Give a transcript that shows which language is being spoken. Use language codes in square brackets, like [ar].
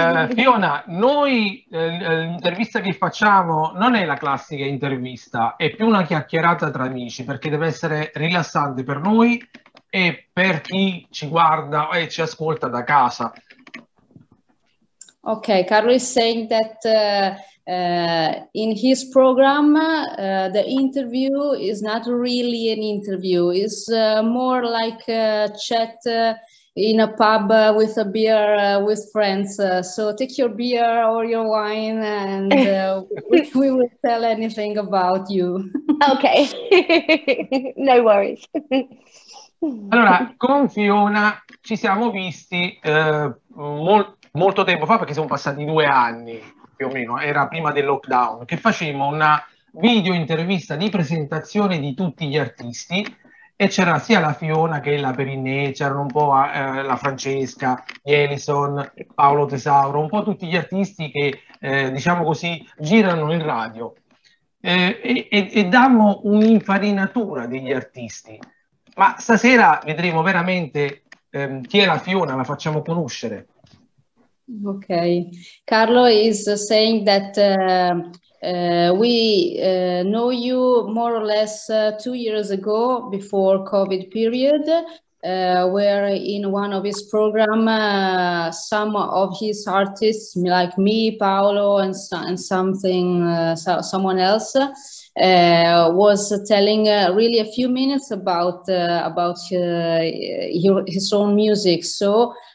[it] Fiona, noi l'intervista che facciamo non è la classica intervista, è più una chiacchierata tra amici, perché deve essere rilassante per noi e per chi ci guarda e ci ascolta da casa. [en] Ok, Carlo is saying that in his program the interview is not really an interview, it's more like a chat in a pub with a beer with friends, so take your beer or your wine and we will tell anything about you. Okay. No worries. [it] Allora, con Fiona ci siamo visti molto tempo fa, perché sono passati 2 anni più o meno, era prima del lockdown, che facemmo una video intervista di presentazione di tutti gli artisti. E c'era sia la Fiona che la Perinè, c'erano un po' la Francesca, Ellison, Paolo Tesauro, un po' tutti gli artisti che, diciamo così, girano in radio. E dammo un'infarinatura degli artisti. Ma stasera vedremo veramente chi è la Fiona, la facciamo conoscere. Ok. [en] Carlo is saying that we know you more or less 2 years ago, before COVID period, where in one of his program some of his artists like me, Paolo, and someone else was telling really a few minutes about his own music. So